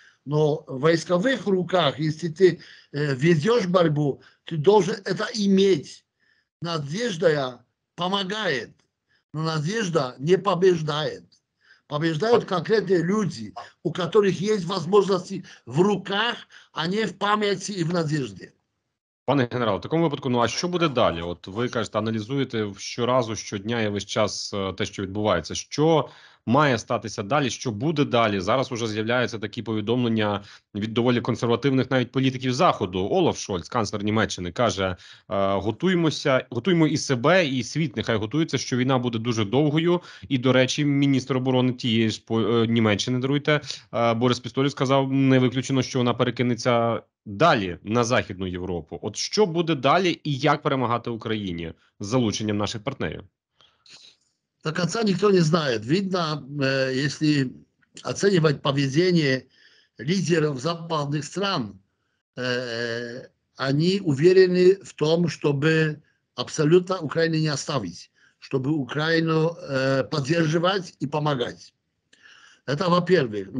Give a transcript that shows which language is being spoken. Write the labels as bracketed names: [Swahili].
[Russian] Но в войсковых руках, если ты ведешь борьбу, ты должен это иметь. Надежда помогает, но надежда не побеждает. Побеждают конкретные люди, у которых есть возможности в руках, а не в памяти и в надежде. [Ukrainian] Пане генерал, в такому випадку, а що буде далі? От ви кажете, аналізуєте щоразу, щодня і весь час те, що відбувається. Що має статися далі? Що буде далі? Зараз вже з'являються такі повідомлення від доволі консервативних навіть політиків Заходу. Олаф Шольц, канцлер Німеччини, каже, готуємо і себе, і світ нехай готується, що війна буде дуже довгою. І, до речі, міністр оборони тієї ж Німеччини, даруйте, Борис Пістолів сказав, не виключено, що вона перекинеться далі, на Західну Європу. От що буде далі і як перемагати Україні з залученням наших партнерів? [Russian] До конца никто не знает. Видно, если оценивать поведение лидеров западных стран, они уверены в том, чтобы абсолютно Украину не оставить, чтобы Украину поддерживать и помогать. Это во-первых.